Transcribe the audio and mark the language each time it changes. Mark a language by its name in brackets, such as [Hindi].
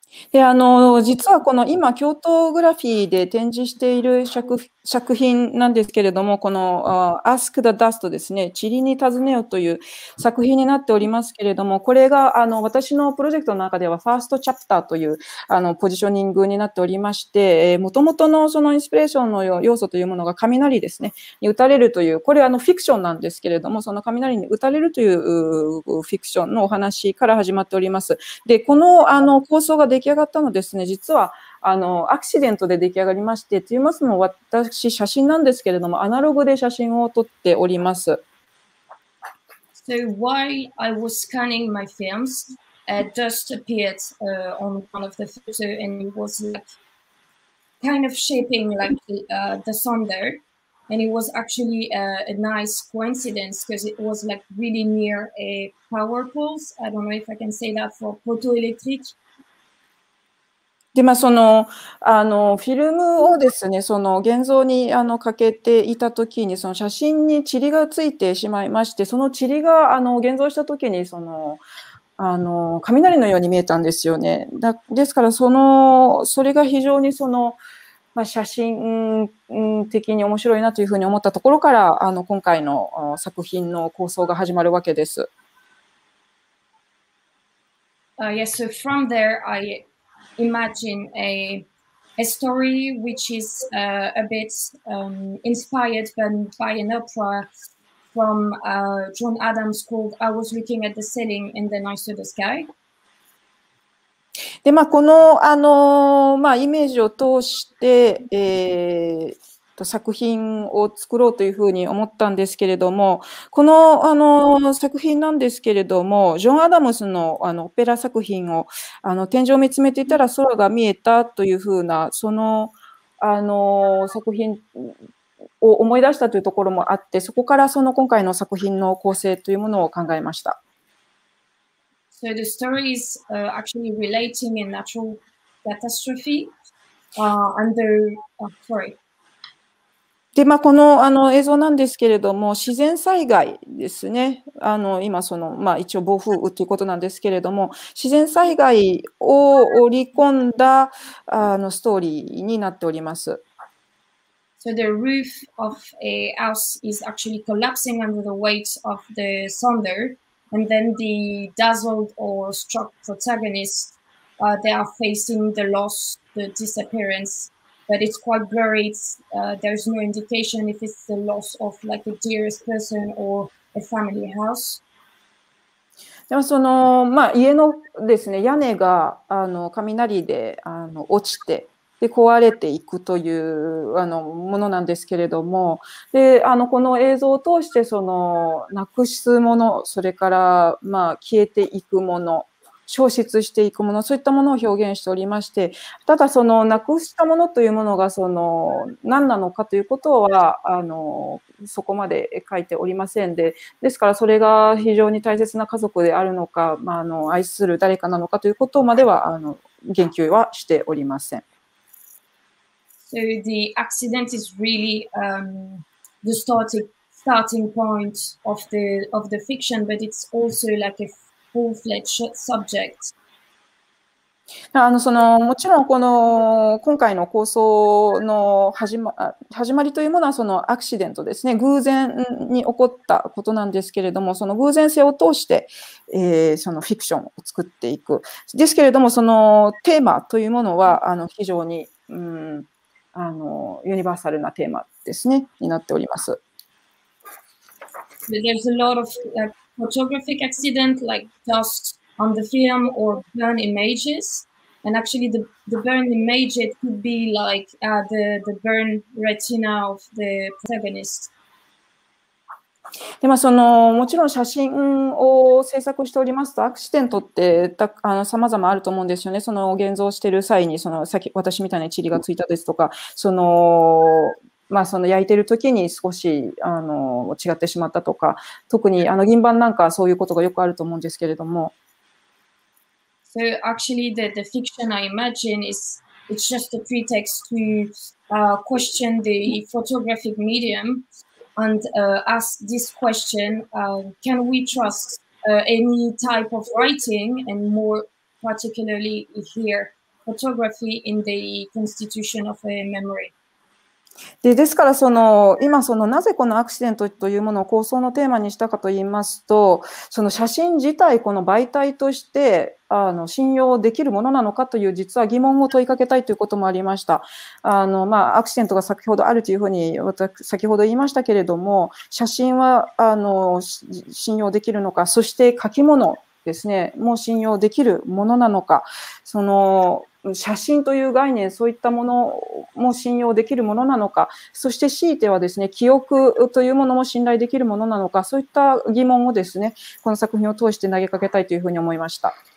[Japanese] で実はこの今、京都グラフィーで展示している作品なんですけれども、この Ask the Dust ですね、塵に尋ねよという作品になっておりますけれども、これが私のプロジェクトの中ではファーストチャプターというポジショニングになっておりまして、もともとのそのインスピレーションの要素というものが雷ですね、に打たれるという、これはフィクションなんですけれども、その雷に打たれるというフィクションのお話から始まっております。で、この構想が出来上がったのですね、実はアクシデントで出来上がりまして、といいますのも私、写真なんですけれども、アナログで写真を撮っております。 [English] So while I was scanning my films, a dust appeared on one of the photo and it was like kind of shaping like the sun there. And it was actually a nice coincidence because it was like really near a power pulse. I don't know if I can say that for photoelectric. [Japanese] で、まあ、その、フィルムをですね、その、現像に、かけていたときに、その、写真に塵がついてしまいまして、その塵が、現像したときに、その、雷のように見えたんですよね。ですから、それが非常に、その、まあ、写真的に面白いなというふうに思ったところから、今回の作品の構想が始まるわけです。 [English] Yes, so from there, Imagine a story which is a bit inspired by an opera from John Adams called I Was Looking at the Ceiling and Then I Saw the Sky. [Japanese] で、まあ、この、まあ、イメージを通して、作品を作ろうというふうに思ったんですけれども、この、作品なんですけれども、ジョン・アダムス の, オペラ作品を天井を見つめていたら空が見えたというふうな、その、作品を思い出したというところもあって、そこからその今回の作品の構成というものを考えました。 [English] So the story is actually relating a natural catastrophe under, sorry. [Japanese] で、まあ、この、あの映像なんですけれども、自然災害ですね。あの、今その、まあ、一応暴風雨ということなんですけれども、自然災害を織り込んだ、あのストーリーになっております。 [English] So the roof of a house is actually collapsing under the weight of the thunder. And then the dazzled or struck protagonists, they are facing the loss, the disappearance, but it's quite blurry. There's no indication if it's the loss of like a dearest person or a family house. [Japanese] でもその、まあ、家のですね、屋根が、あの、雷で、あの、落ちて、で壊れていくというあのものなんですけれども、であのこの映像を通して、そのなくすもの、それから、まあ、消えていくもの、消失していくもの、そういったものを表現しておりまして、ただそのなくしたものというものがその何なのかということは、あのそこまで書いておりませんで、ですからそれが非常に大切な家族であるのか、まあ、あの愛する誰かなのかということまではあの言及はしておりません。 [English] So the accident is really the starting point of the fiction, but it's also like a full-fledged subject. [Japanese] あのそのもちろんこの今回の構想の始まりというものはそのアクシデントですね、偶然に起こったことなんですけれども、その偶然性を通して、そのフィクションを作っていくですけれども、そのテーマというものはあの非常に、あのユニバーサルなテーマですね、になっております。 [English] There's a lot of photographic accident like dust on the film or burn images, and actually the burn image it could be like the burn retina of the protagonist. [Japanese] でまあ、そのもちろん写真を制作しておりますと、アクシデントってさまざまあると思うんですよね。その現像している際にその私みたいな塵がついたですとか、その、まあ、その焼いている時に少しあの違ってしまったとか、特にあの銀盤なんかそういうことがよくあると思うんですけれども。 [English] So actually the fiction I imagine is it's just a pretext to question the photographic mediumand ask this question, can we trust any type of writing, and more particularly here, photography in the constitution of a memory? [Japanese] ですからその今そのなぜこのアクシデントというものを構想のテーマにしたかといいますと、その写真自体この媒体としてあの信用できるものなのかという実は疑問を問いかけたいということもありました。あのまあアクシデントが先ほどあるというふうに私先ほど言いましたけれども、写真はあの信用できるのか、そして書き物ですねも信用できるものなのか、その写真という概念、そういったものも信用できるものなのか、そして強いてはですね、記憶というものも信頼できるものなのか、そういった疑問をですね、この作品を通して投げかけたいというふうに思いました。